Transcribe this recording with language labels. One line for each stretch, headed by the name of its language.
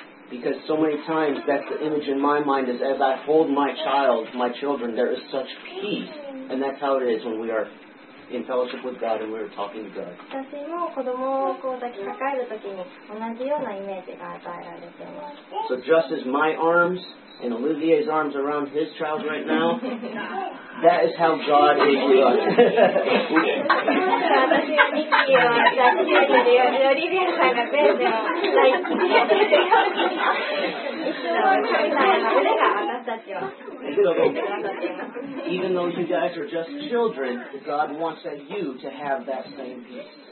English: Because so many times that's the image in my mind is as I hold my child, my children, there is such peace. And that's how it is when we areIn fellowship with God, and we were talking to God.
Japanese: 私も子供をこう抱きかかえるときに同じようなイメージが与えられています。
English: So just as my arms and Olivier's arms around his child right now, that is how God is with us.
Japanese: 私はミッキーを抱きかかえるオリビアさんがベースを抱きかかえるように、一緒の神様の腕が私たちを。
English: Even though you guys are just children, God wants that you to have that same peace.